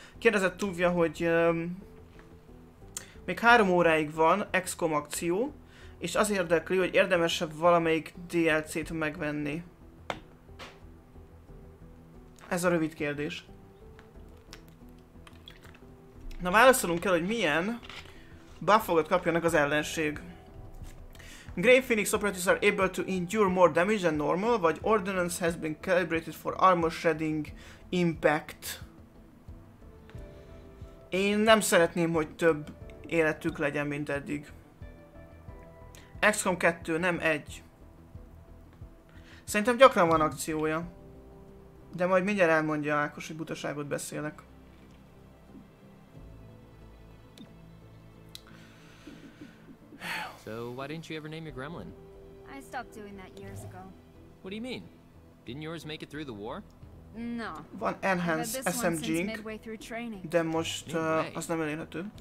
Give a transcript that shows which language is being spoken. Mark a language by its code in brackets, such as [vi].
[hu] Kérdezett Tuvia, hogy még 3 óráig van XCOM akció, és az érdekli, hogy érdemesebb valamelyik DLC-t megvenni. Ez a rövid kérdés. Na, válaszolunk kell, hogy milyen buffokat kapjanak az ellenség. [en] Grey Phoenix operatives are able to endure more damage than normal, [hu] vagy [en] ordnance has been calibrated for armor shredding impact. [hu] Én nem szeretném, hogy több életük legyen, mint eddig. XCOM 2, nem 1. Szerintem gyakran van akciója. De majd mindjárt elmondja Ákos, hogy butaságot beszélek. [en] So, why didn't you ever name your gremlin? I stopped doing that years ago. What do you mean? Didn't yours make it through the war? No. [hu] Van enhanced SMG-nk, de most az nem elérhető.